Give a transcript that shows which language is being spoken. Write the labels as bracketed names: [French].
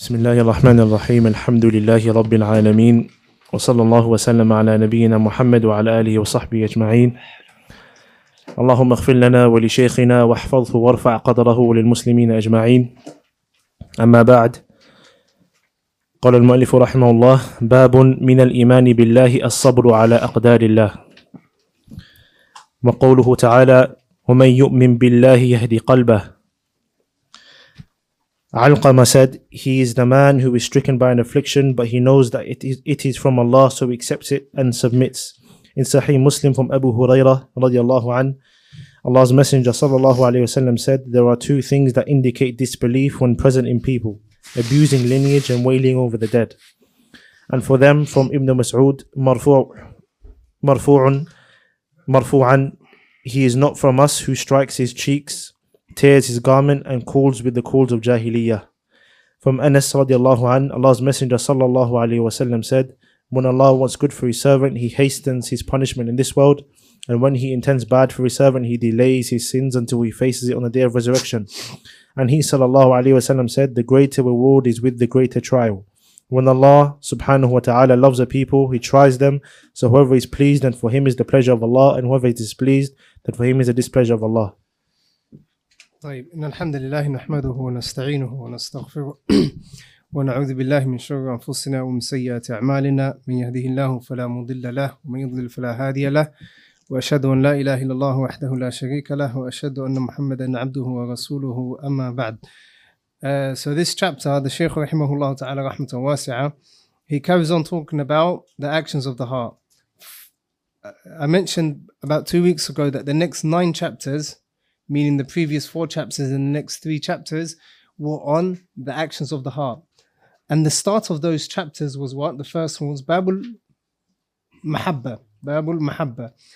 [Arabic] بسم الله الرحمن الرحيم الحمد لله رب العالمين وصلى الله وسلم على نبينا محمد وعلى آله وصحبه أجمعين اللهم اغفر لنا ولشيخنا واحفظه وارفع قدره وللمسلمين أجمعين أما بعد قال المؤلف رحمه الله باب من الإيمان بالله الصبر على أقدار الله وقوله تعالى ومن يؤمن بالله يهدي قلبه [English] Alqama said, he is the man who is stricken by an affliction, but he knows that it is from Allah, so he accepts it and submits. In Sahih Muslim from Abu Hurairah radiallahu anhu, Allah's Messenger sallallahu alayhi wa sallam said, there are two things that indicate disbelief when present in people, abusing lineage and wailing over the dead. And for them, from Ibn Mas'ud, marfu'an, he is not from us who strikes his cheeks, tears his garment and calls with the calls of Jahiliyyah. From Anas radiallahu an, Allah's Messenger sallallahu alayhi wa sallam said, when Allah wants good for his servant, he hastens his punishment in this world. And when he intends bad for his servant, he delays his sins until he faces it on the day of resurrection. And he sallallahu alayhi wa sallam said, the greater reward is with the greater trial. When Allah subhanahu wa ta'ala loves a people, he tries them. So whoever is pleased, then for him is the pleasure of Allah. And whoever is displeased, then for him is the displeasure of Allah. [Arabic] طيب إن الحمد لله نحمده ونستعينه ونستغفره ونعوذ بالله من شر أنفسنا ومن سيئات أعمالنا من يهده الله فلا مضل له ومن يضلل فلا هادي له وأشهد أن لا إله إلا الله وحده لا شريك له وأشهد أن محمدا عبده ورسوله أما بعد [English] So this chapter, the Shaykh [Arabic] رحمه الله تعالى رحمة واسعة, [English] he carries on talking about the actions of the heart. I mentioned about 2 weeks ago that the next 9 chapters, meaning the previous 4 chapters and the next 3 chapters, were on the actions of the heart. And the start of those chapters was what? The first one was Babul Mahabba. Babul Mahabba.